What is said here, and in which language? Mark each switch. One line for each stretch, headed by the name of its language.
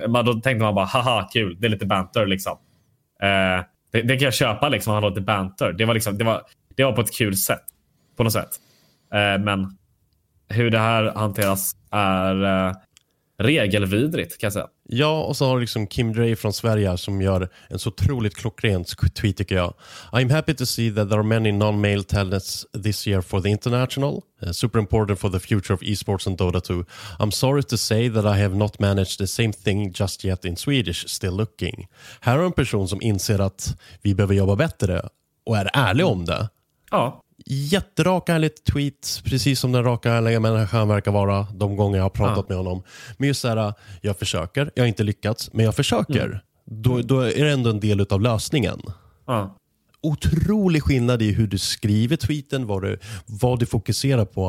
Swedish: Men då tänkte man bara haha kul, det är lite banter liksom. Det kan jag köpa liksom, han låter banter. Det var liksom, det var på ett kul sätt på något sätt. Men hur det här hanteras är regelvidrigt, kan jag säga. Ja, och så har liksom Kim Dre från Sverige som gör en så otroligt klockrent tweet, tycker jag.
English: I'm happy to see that there are many non-male talents this year for the international. Super important for the future of esports and Dota 2. I'm sorry to say that I have not managed the same thing just yet in Swedish. Still looking.
Swedish: Här är en person som inser att vi behöver jobba bättre och är ärlig om det. Ja. Jätteraka ärligt tweet, precis som den raka ärliga människan verkar vara de gånger jag har pratat med honom. Men just så här, jag försöker, jag har inte lyckats, men jag försöker. Då är det ändå en del av lösningen. Otrolig skillnad i hur du skriver tweeten, vad du fokuserar på.